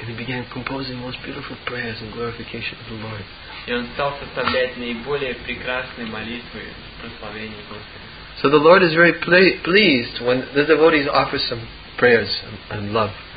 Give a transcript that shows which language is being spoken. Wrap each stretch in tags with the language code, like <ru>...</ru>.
<en>And he began composing the most beautiful prayers and glorification of the Lord.</en> <ru>И он стал составлять наиболее прекрасные молитвы прославления Господа.</ru> <en>So the Lord is very pleased when the devotees offer some prayers and love</en>